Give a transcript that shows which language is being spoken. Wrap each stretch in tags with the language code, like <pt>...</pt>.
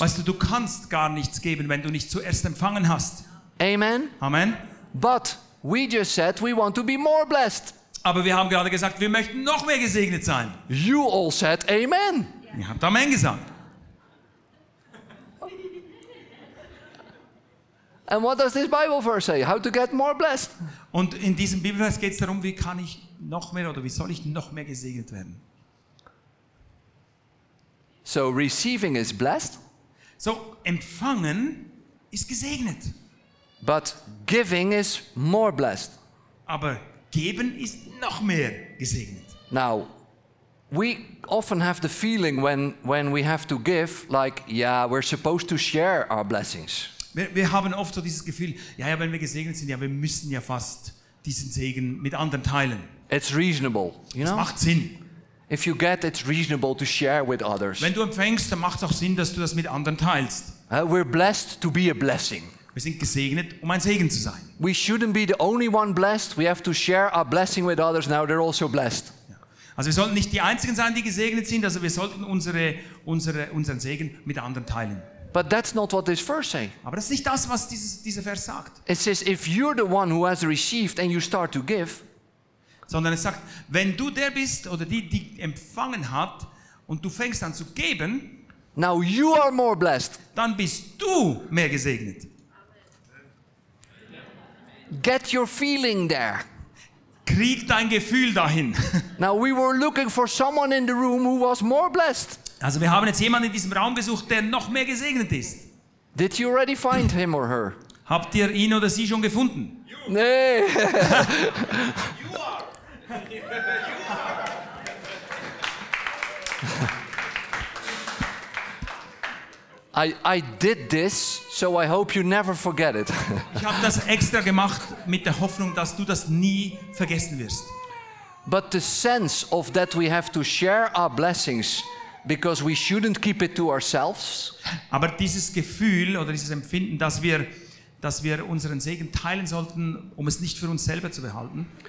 <de>Weißt du, du kannst gar nichts geben, wenn du nicht zuerst empfangen hast. Amen. Amen.</de> <en>But we just said we want to be more blessed.</en> <de>Aber wir haben gerade gesagt, wir möchten noch mehr gesegnet sein.</de> <en>You all said amen.</en> <de>Yeah. Ihr habt Amen gesagt.</de> <en>And what does this Bible verse say? How to get more blessed?</en> <de>Und in diesem Bibelvers geht es darum, wie kann ich noch mehr oder wie soll ich noch mehr gesegnet werden?</de> <en>So receiving is blessed.</en> <de>So empfangen ist gesegnet.</de> <en>But giving is more blessed.</en> <de>Aber geben ist noch mehr gesegnet.</de> <en>Now, we often have the feeling when we have to give, like, yeah, we're supposed to share our blessings.</en> <de>Wir haben oft so dieses Gefühl, ja, wenn wir gesegnet sind, ja, wir müssen ja fast diesen Segen mit anderen teilen.</de> <en>It's reasonable, you know?</en> <de>Das macht Sinn.</de> <en>If you get, it's reasonable to share with others.</en> <de>Wenn du empfängst, dann macht es auch Sinn, dass du das mit anderen teilst.</de> <en>We're blessed to be a blessing.</en> <de>Wir sind gesegnet, um ein Segen zu sein.</de> <en>We shouldn't be the only one blessed. We have to share our blessing with others. Now they're also blessed.</en> <de>Ja. Also wir sollten nicht die einzigen sein, die gesegnet sind. Also wir sollten unseren Segen mit anderen teilen.</de> <en>But that's not what this verse say.</en> <de>Aber das ist nicht das, was dieser Vers sagt.</de> <en>It says, if you're the one who has received and you start to give.</en> <de>Sondern es sagt, wenn du der bist oder die empfangen hat und du fängst an zu geben.</de> <en>Now you are more blessed.</en> <de>Dann bist du mehr gesegnet.</de> <en>Get your feeling there.</en> <de>Krieg dein Gefühl dahin.</de> <en>Now we were looking for someone in the room who was more blessed.</en> <de>Also wir haben jetzt jemanden in diesem Raum gesucht, der noch mehr gesegnet ist.</de> <en>Did you already find him or her?</en> <de>Habt ihr ihn oder sie schon gefunden? You. Nee.</de> <en>I did this, so I hope you never forget it.</en> <de>Ich habe das extra gemacht mit der Hoffnung, dass du das nie vergessen wirst.</de> <en>But the sense of that we have to share our blessings because we shouldn't keep it to ourselves.</en> <de>Aber dieses Gefühl oder dieses Empfinden, dass wir unseren Segen teilen sollten, um es nicht für uns selber zu behalten.</de>